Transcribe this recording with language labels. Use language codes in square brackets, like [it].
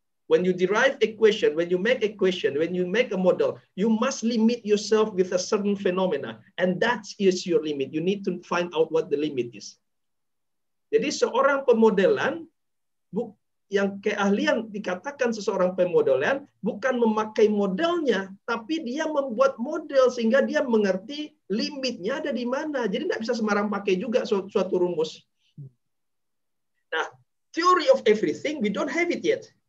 [en] When you derive equation, when you make equation, when you make a model, you must limit yourself with a certain phenomena. And that is your limit. You need to find out what the limit is. [id] Jadi seorang pemodelan, yang keahlian dikatakan seseorang pemodelan, bukan memakai modelnya, tapi dia membuat model sehingga dia mengerti limitnya ada di mana. Jadi tidak bisa sembarang pakai juga suatu rumus. [en] Nah, theory of everything, we don't have it yet.